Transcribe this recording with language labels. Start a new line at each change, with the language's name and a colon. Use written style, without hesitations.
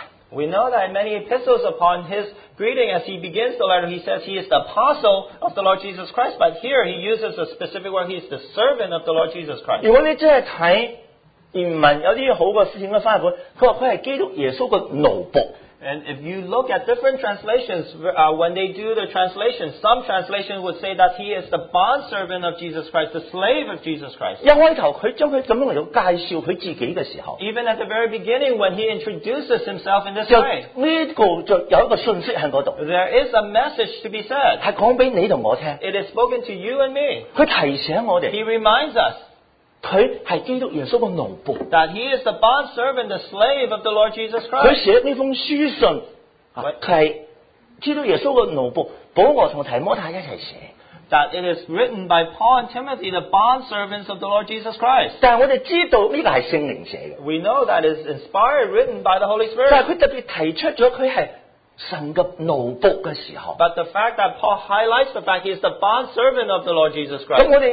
English: We know that in many epistles upon his greeting, as he begins the letter, he says he is the apostle of the Lord Jesus Christ. But here, he uses a specific word. He is the servant of the Lord Jesus Christ.
Chinese: 如果你真的看原文有些好的事情的翻译本，他说他是基督耶稣的奴仆。
English: And if you look at different translations, when they do the translation, some translations would say that he is the bondservant of Jesus Christ, the slave of Jesus Christ.
Chinese: 一开头他将他这么来介绍他自己的时候,
English: Even at the very beginning, when he introduces himself in this way,
Chinese: 这个就有一个讯息在那里,
English: there is a message to be said.
Chinese: 是说给你和我听,
English: it is spoken to you and me.
Chinese: 他提醒我们,
English: he reminds us.
Chinese: 他是基督耶稣的奴仆,
English: that he is the bondservant, the slave of the Lord Jesus Christ.
Chinese: 他写这封书信, 是基督耶稣的奴仆, 保罗和提摩太一起写,
English: that it is written by Paul and Timothy, the bondservants of the Lord Jesus Christ.
Chinese: 但我们知道这个是圣灵写的,
English: we know that it is inspired, written by the Holy Spirit.
Chinese: 但他特别提出了他是
English: But the fact that Paul highlights the fact he is the bondservant of the Lord Jesus Christ.